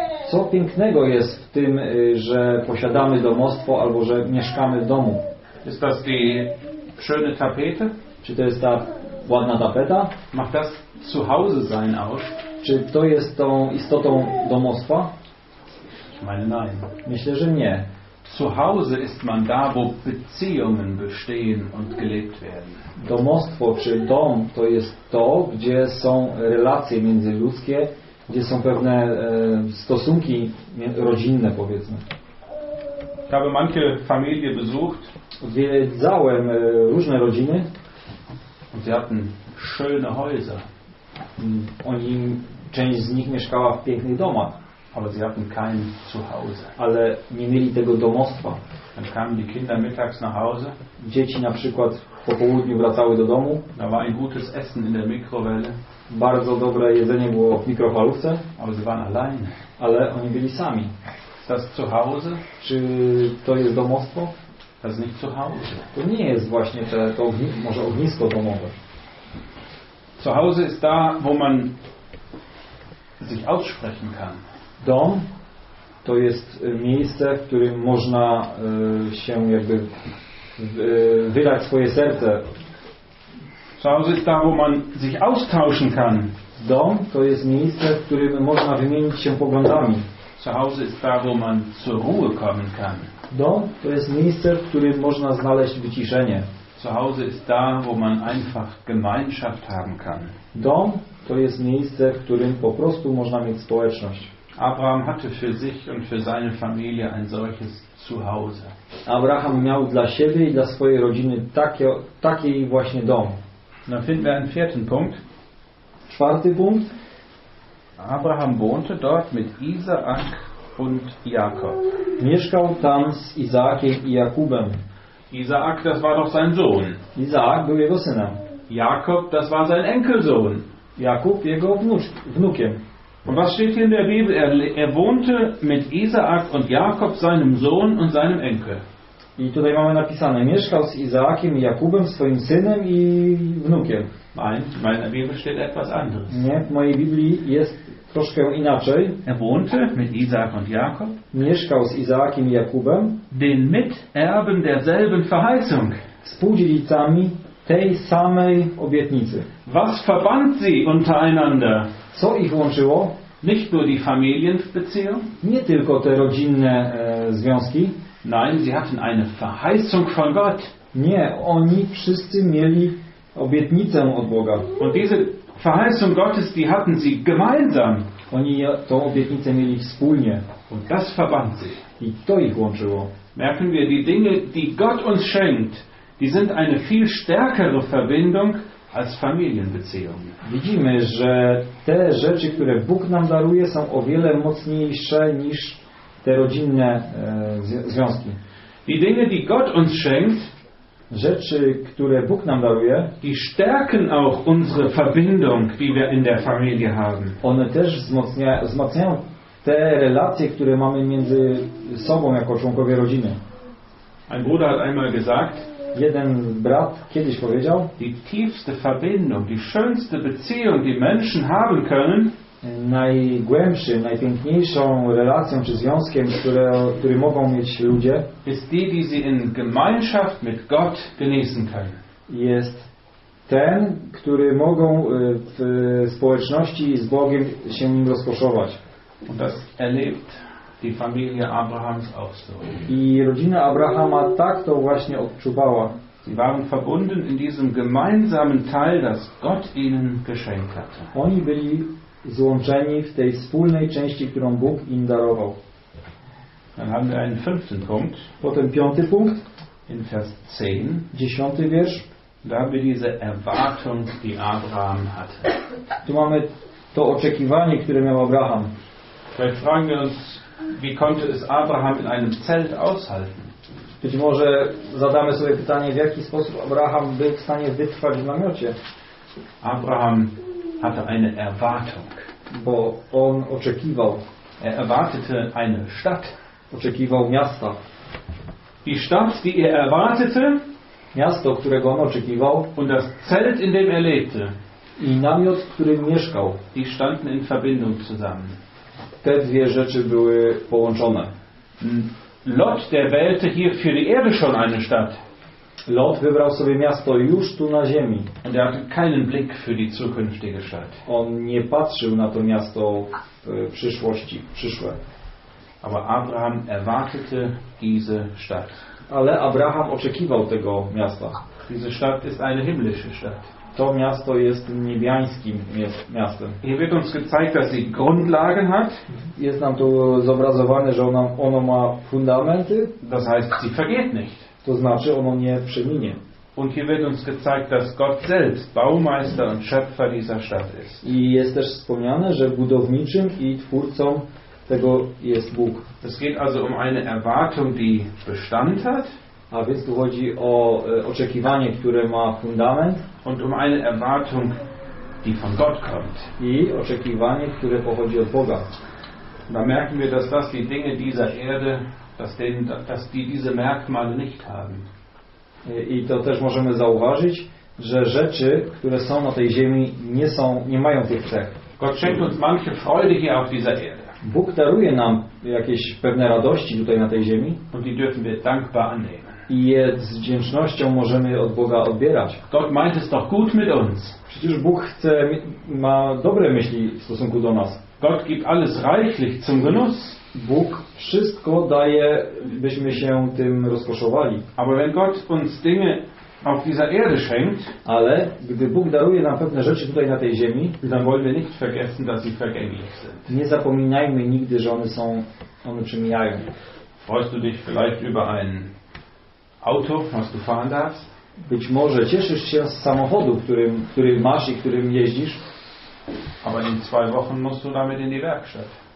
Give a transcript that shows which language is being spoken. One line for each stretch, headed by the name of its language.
Polish: Co pięknego jest w tym, że posiadamy domostwo albo że mieszkamy w domu?
German: Ist das die schöne Tapete?
Polish: Czy to jest ta ładna tapeta?
German: Macht das Zuhause sein aus?
Polish: Czy to jest tą istotą domostwa?
German: Ich meine nein.
Polish: Myślę, że nie.
German: Zu Hause ist man da, wo Beziehungen bestehen und gelebt werden.
Polish: Domostwo czy dom to jest to, gdzie są relacje międzyludzkie, gdzie są pewne stosunki rodzinne, powiedzmy.
German: Ich habe manche Familie besucht.
Polish: Odwiedzałem różne rodziny.
German: Und sie hatten schöne Häuser.
Polish: Oni, część z nich mieszkała w pięknych domach.
German: Aber sie hatten kein Zuhause.
Polish: Ale nie mieli tego domostwa.
German: Dann kamen die Kinder mittags nach Hause.
Polish: Dzieci na przykład po południu wracały do domu.
German: Da war ein gutes Essen in der Mikrowelle.
Polish: Bardzo dobre jedzenie było w mikrofalówce.
German: Aber sie waren allein.
Polish: Ale oni byli sami.
German: Das Zuhause?
Polish: Czy to jest domostwo?
German: Das ist nicht Zuhause.
Polish: To nie jest właśnie to może ognisko domowe.
German: Zuhause ist da, wo man sich aussprechen kann.
Polish: Dom to jest miejsce, w którym można się jakby wydać swoje serce.
German: Zuhause ist da, wo man sich austauschen kann.
Polish: Dom to jest miejsce, w którym można wymienić się poglądami.
German: Zuhause ist da, wo man zur Ruhe kommen kann.
Polish: Dom to jest miejsce, w którym można znaleźć wyciszenie.
German: Zuhause ist da, wo man einfach Gemeinschaft haben kann.
Polish: Dom to jest miejsce, w którym po prostu można mieć społeczność.
German: Abraham hatte für sich und für seine Familie ein solches Zuhause.
Polish: Abraham miał dla siebie i dla swojej rodziny taki właśnie dom.
German: Dann finden wir einen vierten Punkt.
Polish: Czwarty punkt.
German: Abraham wohnte dort mit Isaak und Jakob.
Polish: Mieszkał tam z Izaakiem i Jakubem.
German: Isaak, das war doch sein Sohn.
Polish: Isaak był jego synem.
German: Jakob, das war sein Enkelsohn.
Polish: Jakub jego wnukiem.
German: Und was steht hier in der Bibel? Er wohnte mit Isaak und Jakob, seinem Sohn und seinem Enkel.
Polish: I tutaj mamy napisane, mieszkał z Izaakiem i Jakubem, swoim synem i wnukiem.
German: Nein, in meiner Bibel steht etwas anderes.
Polish: Nie, w mojej Biblii jest troszkę inaczej.
German: Er wohnte mit Isaac und Jakob.
Polish: Mieszkał z Izaakiem i Jakubem.
German: Den Miterben derselben Verheißung.
Polish: Spółdzielicami tej samej obietnicy.
German: Was verband sie untereinander?
Polish: Co ich łączyło?
German: Nicht nur die Familienbeziehung.
Polish: Nie tylko te rodzinne związki.
German: Nein, sie hatten eine Verheißung von Gott.
Polish: Nie, oni wszyscy mieli obietnicę od Boga.
German: Und diese Verheißung Gottes, die hatten sie gemeinsam.
Polish: Oni tą obietnicę mieli wspólnie.
German: Und das verband sie.
Polish: I to ich łączyło.
German: Merken wir, die Dinge, die Gott uns schenkt, die sind eine viel stärkere Verbindung als Familienbeziehung.
Polish: Widzimy, że te rzeczy, które Bóg nam daruje, są o wiele mocniejsze niż te rodzinne związki.
German: Die Dinge, die Gott uns schenkt,
Polish: rzeczy, które Bóg nam daruje,
German: die stärken auch unsere Verbindung, die wir in der Familie haben.
Polish: One też wzmacniają te relacje, które mamy między sobą jako członkowie rodziny.
German: Ein Bruder hat einmal gesagt,
Polish: jeden brat kiedyś powiedział,
German: die tiefste Verbindung, die schönste Beziehung, die Menschen haben können,
Polish: najgłębszy, najpiękniejszą relacją czy związkiem, który mogą mieć ludzie,
German: ist die, die sie in Gemeinschaft mit Gott genießen können.
Polish: Jest ten, który mogą w społeczności z Bogiem się nim rozkoszować.
German: Und das erlebt die Familie Abrahams auch so.
Polish: I rodzina Abrahama tak to właśnie odczuwała.
German: Sie waren verbunden in diesem gemeinsamen Teil, das Gott ihnen geschenkt hatte.
Polish: Oni byli złączeni w tej wspólnej części, którą Bóg im darował.
German: Dann haben wir einen fünften Punkt.
Polish: Potem piąty punkt.
German: In Vers 10.
Polish: Dziesiąty wiersz.
German: Da haben wir diese Erwartung, die Abraham hatte.
Polish: Tu mamy to oczekiwanie, które miał Abraham.
German: Vielleicht fragen wir uns, wie konnte es Abraham in einem Zelt aushalten?
Polish: Być może zadamy sobie pytanie, w jaki sposób Abraham był w stanie wytrwać w namiocie.
German: Abraham hatte eine Erwartung.
Polish: Bo on oczekiwał.
German: Er erwartete eine Stadt.
Polish: Oczekiwał miasta.
German: Die Stadt, die er erwartete.
Polish: Miasto, którego on oczekiwał.
German: Und das Zelt, in dem er lebte.
Polish: I namiot, w którym mieszkał.
German: Die standen in Verbindung zusammen.
Polish: Te dwie rzeczy były połączone.
German: Lot, der wählte hier für die Erde schon eine Stadt.
Polish: Lot wybrał sobie miasto już tu na ziemi.
German: Und er hatte keinen Blick für die zukünftige Stadt.
Polish: On nie patrzył na to miasto w przyszłości, przyszłe.
German: Aber Abraham erwartete diese Stadt.
Polish: Ale Abraham oczekiwał tego miasta.
German: Diese Stadt ist eine himmlische Stadt.
Polish: To miasto jest niebiańskim miastem.
German: Hier wird uns gezeigt, dass sie Grundlagen hat.
Polish: Jest nam tu zobrazowane, że ono ma fundamenty.
German: Das heißt, sie vergeht nicht.
Polish: To znaczy, ono nie przeminie.
German: Und hier wird uns gezeigt, dass Gott selbst Baumeister und Schöpfer dieser Stadt ist.
Polish: I jest też wspomniane, że budowniczym i twórcą tego jest Bóg.
German: Es geht also um eine Erwartung, die Bestand hat.
Polish: A więc tu chodzi o oczekiwanie, które ma fundament.
German: Und um eine Erwartung, die von Gott kommt.
Polish: I oczekiwanie, które pochodzi od Boga.
German: Da merken wir, dass das die Dinge dieser Erde, dass die diese Merkmale nicht haben.
Polish: I to też możemy zauważyć, że rzeczy, które są na tej ziemi, nie mają tych cech.
German: Gott schenkt uns manche Freude hier auf dieser Erde.
Polish: Bóg daruje nam jakieś pewne radości tutaj na tej ziemi.
German: Und die dürfen wir dankbar annehmen.
Polish: I je z wdzięcznością możemy od Boga odbierać.
German: Gott meint es doch gut mit uns.
Polish: Przecież Bóg chce, ma dobre myśli w stosunku do nas.
German: Gott gibt alles reichlich zum Genuss.
Polish: Bóg wszystko daje, byśmy się tym rozkoszowali.
German: Aber wenn Gott uns Dinge auf dieser Erde schenkt,
Polish: ale gdy Bóg daruje nam pewne rzeczy tutaj na tej ziemi,
German: dann wollen wir nicht vergessen, dass sie vergänglich sind.
Polish: Nie zapominajmy nigdy, że one przemijają.
German: Freust du dich vielleicht über ein Auto, was du fahren darfst?
Polish: Być może cieszysz się z samochodu, który masz i którym jeździsz.
German: Aber in zwei Wochen musst du damit in die Werkstatt.